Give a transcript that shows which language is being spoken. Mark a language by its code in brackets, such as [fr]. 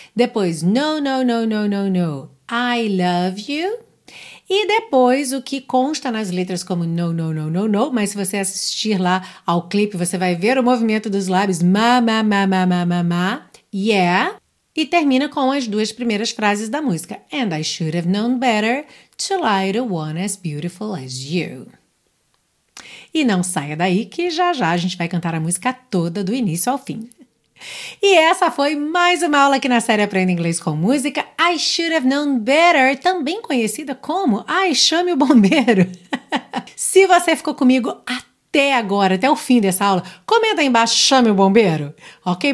[pt] Depois, [en] no, no, no, no, no, no, I love you. [pt] E depois, o que consta nas letras como no, no, no, no, no, mas se você assistir lá ao clipe, você vai ver o movimento dos lábios, ma, ma, ma, ma, ma, ma, ma, yeah. E termina com as duas primeiras frases da música. [en] And I should have known better to lie to one as beautiful as you. [pt] E não saia daí que já já a gente vai cantar a música toda do início ao fim. E essa foi mais uma aula aqui na série Aprenda Inglês com Música. I should have known better, também conhecida como Ai, chame o bombeiro. Se você ficou comigo até agora, até o fim dessa aula, comenta aí embaixo, chame o bombeiro, ok?